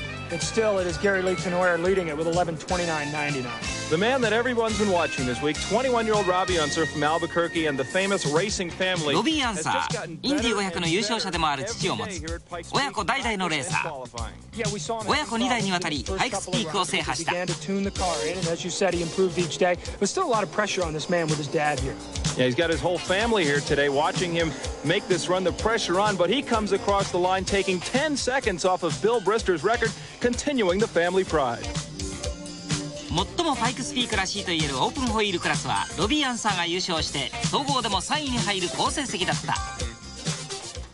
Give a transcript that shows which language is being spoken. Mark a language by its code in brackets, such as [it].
[en] But still, it is Gary Lee Kenoyer leading it with 11:29.99. The man that everyone's been watching this week, 21-year-old Robbie Unser from Albuquerque and the famous racing family. [ja] Robbie Unser, Indy 500 の優勝者でもある父を持つ。親子代々のレーサー。親子2代にわたり、パイクスピークを制覇した。 [en] He began to tune the car in, and as you said, he improved each day. But still a lot of pressure on this man with his dad here. Yeah, he's got his whole family here today watching him make this run, the pressure on. But he comes across the line taking 10 seconds off of Bill Brister's record. Continuing the family pride. [ja] 最もパイクスピークらしいといえるオープンホイールクラスはロビー・アンサーが優勝して総合でも3位に入る好成績だった。